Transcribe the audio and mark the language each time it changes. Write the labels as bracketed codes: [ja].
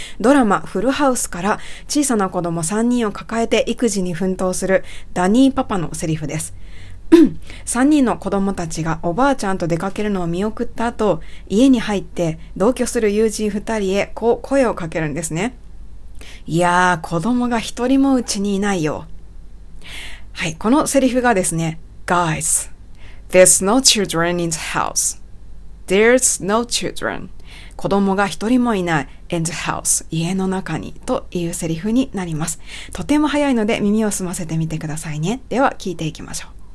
[ja] ドラマフルハウスから、小さな子供3人を抱えて育児に奮闘するダニーパパのセリフです。 3人の子供たちがおばあちゃんと出かけるのを見送った後、家に入って同居する友人2人へこう声をかけるんですね。いやー、子供が1人もうちにいないよ。はい、このセリフがですね、 [en] Guys, there's no children in the house. There's no children. [ja] 子供が1人もいない [en] in the house. [ja] 家の中にというセリフになります。とても早いので耳を澄ませてみてくださいね。では聞いていきましょう。